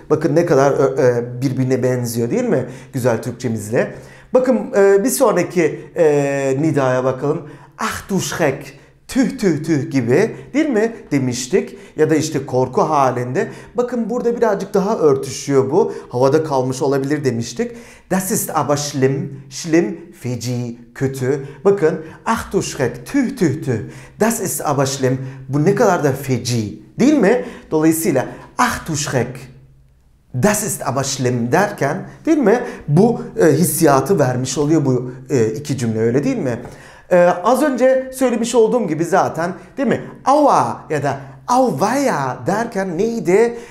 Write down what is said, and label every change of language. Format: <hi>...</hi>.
<tr>Bakın ne kadar birbirine benziyor değil mi? Güzel Türkçemizle. Bakın bir sonraki nidaya bakalım.</tr> <de>Ah du Schreck,</de> <tr>tüh tüh tüh gibi değil mi demiştik. Ya da işte korku halinde. Bakın burada birazcık daha örtüşüyor bu. Havada kalmış olabilir demiştik.</tr> <de>Das ist aber schlimm, schlimm,</de> <tr>feci, kötü. Bakın</tr> <de>ach du Schreck,</de> <tr>tüh tüh tüh.</tr> <de>Das ist aber schlimm,</de> <tr>bu ne kadar da feci değil mi? Dolayısıyla</tr> <de>ach du Schreck. Das ist aber schlimm</de> <tr>derken değil mi? Bu hissiyatı vermiş oluyor bu iki cümle öyle değil mi? Az önce söylemiş olduğum gibi zaten değil mi? Aua ya da auweia derken neydi?</tr>